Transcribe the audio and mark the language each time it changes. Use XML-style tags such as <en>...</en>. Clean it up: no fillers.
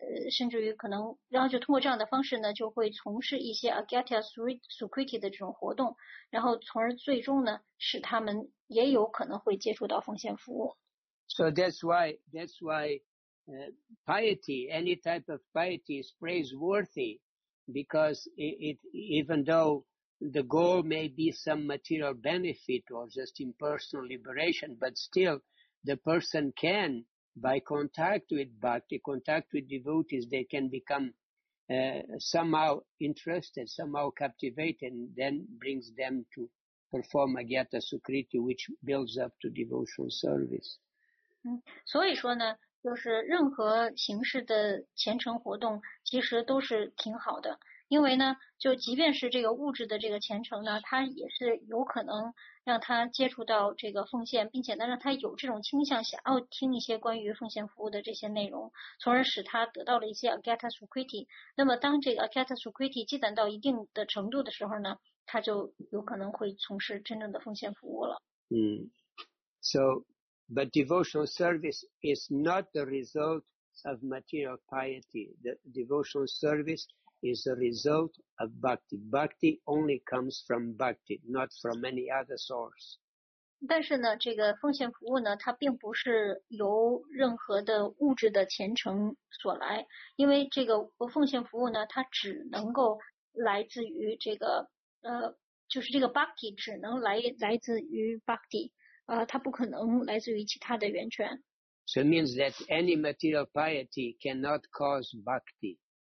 <zh>甚至于可能然后就通过这样的方式呢就会从事一些 Agyata Sukriti 的这种活动，然后从而最终呢使他们也有可能会接触到奉献服务。</zh> <en>So that's why piety, any type of piety is praiseworthy, because it even though the goal may be some material benefit or just impersonal liberation, but still the person can, by contact with bhakti, contact with devotees, they can become somehow interested, somehow captivated, and then brings them to perform Agyata Sukriti, which builds up to devotional service.</en> <zh>所以说呢, 就是任何形式的虔诚活动, 其实都是挺好的。因为呢, 就即便是这个物质的这个虔诚呢, 它也是有可能让他接触到这个奉献, 并且呢让他有这种倾向, 想要听一些关于奉献服务的这些内容, 从而使他得到了一些 Agyata Sukriti。那么当这个 Agyata Sukriti 积攒到一定的程度的时候呢, 他就有可能会从事真正的奉献服务了。</zh> <en>So, but devotional service is not the result of material piety. The devotional service is a result of bhakti. Bhakti only comes from bhakti, not from any other source.</en> <zh>但是呢,这个奉献服务呢, 它并不是由任何的物质的虔诚所来, 因为这个奉献服务呢, 它只能够来自于这个 就是这个bhakti只能来自于bhakti，它不可能来自于其他的源泉。</zh> <en>So it means that any material piety cannot cause bhakti.</en>